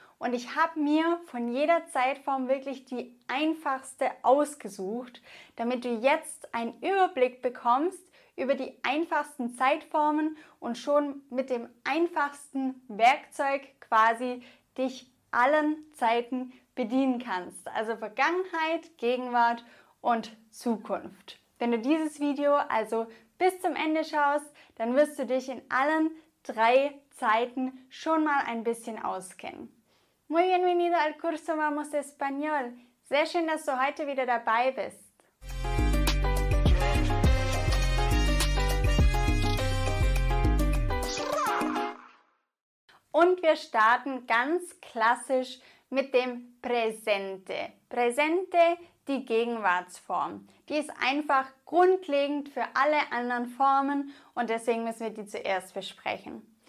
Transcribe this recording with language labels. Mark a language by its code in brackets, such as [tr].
[de] Und ich habe mir von jeder Zeitform wirklich die einfachste ausgesucht, damit du jetzt einen Überblick bekommst über die einfachsten Zeitformen und schon mit dem einfachsten Werkzeug quasi dich allen Zeiten bedienen kannst. Also Vergangenheit, Gegenwart und Zukunft. Wenn du dieses Video also bis zum Ende schaust, dann wirst du dich in allen drei Zeiten schon mal ein bisschen auskennen. [es] Muy bienvenido al curso Vamos Español. [de] Sehr schön, dass du heute wieder dabei bist. Und wir starten ganz klassisch mit dem Präsente. Präsente, die Gegenwartsform. Die ist einfach grundlegend für alle anderen Formen und deswegen müssen wir die zuerst besprechen.